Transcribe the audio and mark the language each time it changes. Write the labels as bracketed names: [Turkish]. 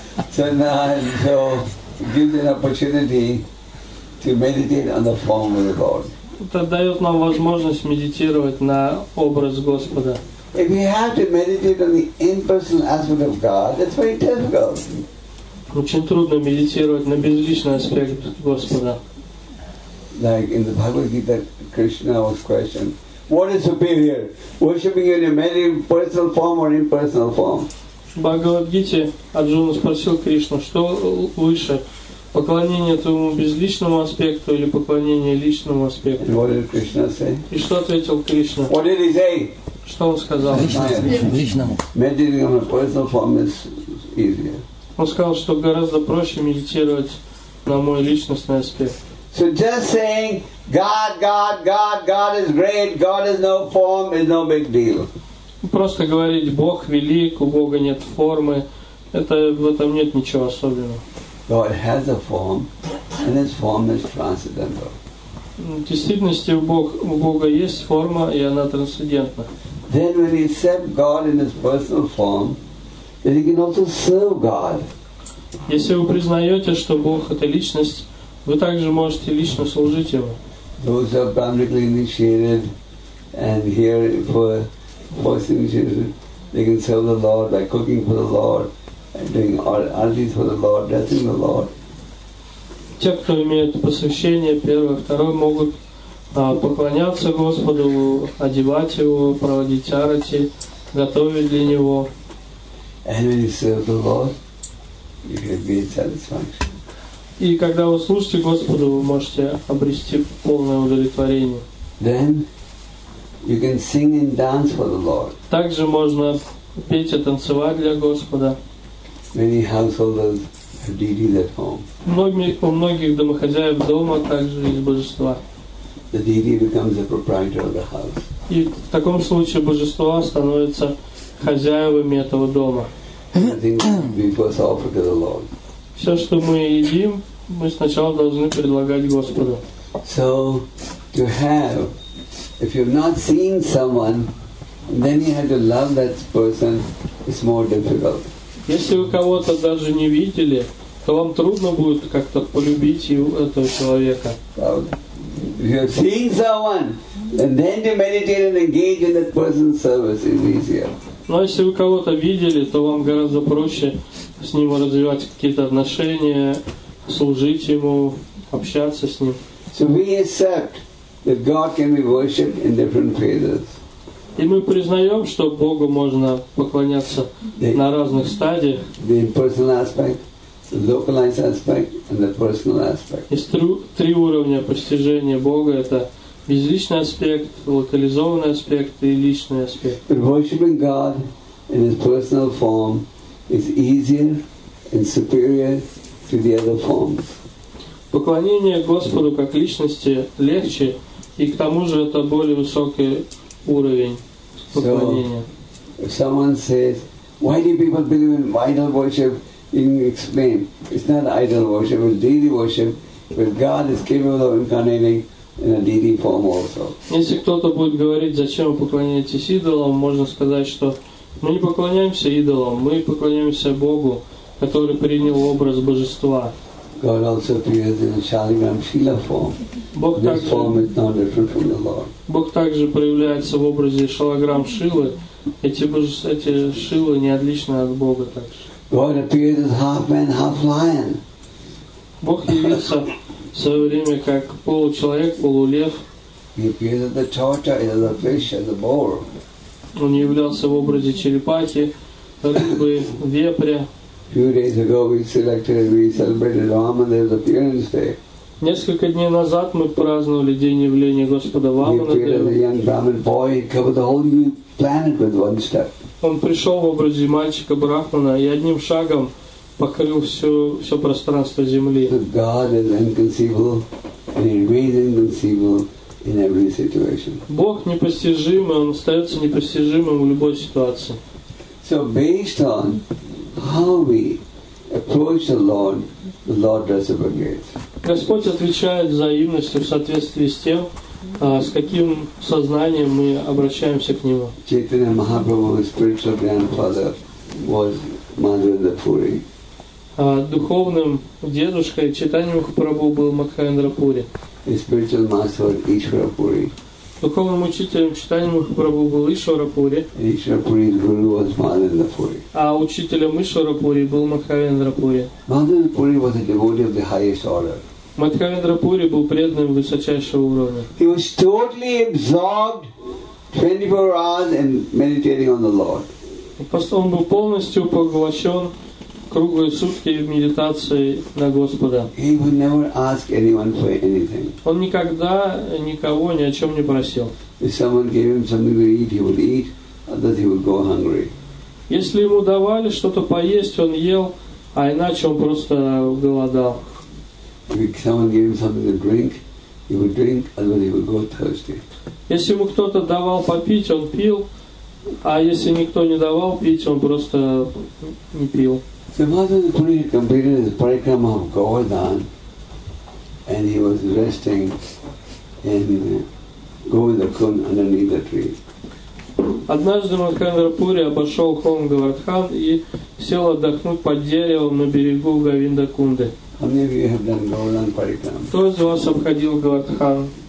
[English] So give them an opportunity to meditate on the form of the Lord. [Russian] Это дает нам возможность медитировать на образ Господа. [English] If we have to meditate on the impersonal aspect of God, that's very difficult. [Russian] Очень трудно медитировать на безличный аспект Господа. [English] Like in the Bhagavad Gita, Krishna was questioned, what is superior, worshipping in a many personal form or impersonal form? [Russian] Bhagavad Gita, Arjuna спросил Кришну, что выше, поклонение твоему безличному аспекту или поклонение личному аспекту? [English] And what did Krishna say? [Russian] И что ответил Кришна? [English] What did he say? [Russian] Что он сказал? Личному. [English] Meditating on a personal form is easier. [Russian] Он сказал, что гораздо проще медитировать на мой личностный аспект. [English] So just saying, God, God, God, God is great, God is no form, is no big deal. [Russian] Просто говорить, Бог велик, у Бога нет формы, в этом нет ничего особенного. [English] God has a form, and His form is transcendental. [Russian] Действительности у Бога есть форма, и она трансцендентна. [English] Then when we accept God in His personal form, then you can also serve God. [Russian] Если вы признаете, что Бог это личность, вы также можете лично служить Его. [English] Those who are karmically initiated and here for first initiation, they can serve the Lord by cooking for the Lord and doing altars for the Lord, dressing the Lord. [Russian] Те, кто имеет посвящение первое, второе, могут поклоняться Господу, одевать Его, проводить арати, готовить для Него. [English] And when you serve the Lord, you can be satisfied. [Russian] И когда вы служите Господу, вы можете обрести полное удовлетворение. [English] Then you can sing and dance for the Lord. [Russian] Также можно петь и танцевать для Господа. [English] Many householders have deities at home. [Russian] У многих домохозяев дома также есть божества. [English] The deity becomes the proprietor of the house. [Russian] И в таком случае божество становится хозяевами этого дома. [English] Everything we first offer to the Lord. [Russian] Все, что мы едим, мы сначала должны предлагать Господу. [English] So, to have, if you've not seen someone, then you have to love that person, it's more difficult. [Russian] Если вы кого-то даже не видели, то вам трудно будет как-то полюбить этого человека. [English] If you've seen someone, and then you meditate and engage in that person's service, it's easier. [Russian] Но если вы кого-то видели, то вам гораздо проще с ним развивать какие-то отношения, служить ему, общаться с ним. [English] So we accept that God can be worshipped in different phases. [Russian] И мы признаем, что Богу можно поклоняться на разных стадиях. [English] The impersonal aspect, the localized aspect, and the personal aspect. [Russian] Есть три уровня постижения Бога. Это безличный аспект, локализованный аспект и личный аспект. [English] But worshiping God in His personal form is easier and superior to the other forms. [Russian] Поклонение Господу как личности легче, и к тому же это более высокий уровень поклонения. [English] So, if someone says, "Why do people believe in idol worship?" You can explain. It's not idol worship; it's deity worship. But God is capable of incarnating in a deity form also. [Russian] Если кто-то будет говорить, зачем вы поклоняетесь идолам, можно сказать, что мы не поклоняемся идолам, мы поклоняемся Богу, который принял образ божества. [English] God also appears in a Shaligram Shila form. This form is not different from the Lord. [Russian] Бог также проявляется в образе Шалаграм Шилы. Эти Шилы не отличны от Бога также. [English] God appears as half man, half lion. [Russian] Бог явился в свое время как получеловек, полулев. [English] He appears as a tortoise, as a fish, as a boar. [Russian] Он являлся в образе черепахи, рыбы, вепря. [English] Few days ago we selected and we celebrated Vamadeva's appearance day. [Russian] Несколько дней назад мы праздновали день явления Господа Вамадева. Он пришел в образе мальчика Брахмана и одним шагом покрыл все пространство Земли. [English] So God is inconceivable and He remains inconceivable. In every situation. [Russian] Бог непостижимый, Он остается непостижимым в любой ситуации. [English] So based on how we approach the Lord reciprocates. [Russian] Господь отвечает взаимностью в соответствии с тем, с каким сознанием мы обращаемся к Нему. [English] Chaitanya Mahaprabhu's spiritual grandfather was Mahendra Puri. [Russian] Духовным дедушкой Чайтанья Махапрабху был Махендра Пури. [English] His spiritual master was Ishvara Puri. [Russian] Духовным учителем Чайтанья Махапрабху был Ишвара Пури. [English] Ishvara Puri's guru was Mahendra Puri. [Russian] А учителем Ишвара Пури был Махендра Пури. [English] Mahendra Puri was a devotee of the highest order. [Russian] Махендра Пури был преданным высочайшего уровня. [English] He was totally absorbed 24 hours in meditating on the Lord. [Russian] Он был полностью поглощен круглые сутки в медитации на Господа. [English] He would never ask anyone for anything. [Russian] Он никогда никого ни о чем не просил. [English] If someone gave him something to eat, he would eat, otherwise he would go hungry. [Russian] Если ему давали что-то поесть, он ел, а иначе он просто голодал. [English] If someone gave him something to drink, he would drink, otherwise he would go thirsty. [Russian] Если ему кто-то давал попить, он пил, а если никто не давал пить, он просто не пил. [English] The Bhagavad Gita completed his parikrama of Govardhan, and he was resting in Govindakund underneath the tree. [Russian] Однажды Махендрапури обошел холм Говардхан и сел отдохнуть под деревом на берегу Говиндакунды. Кто из вас обходил Говардхан?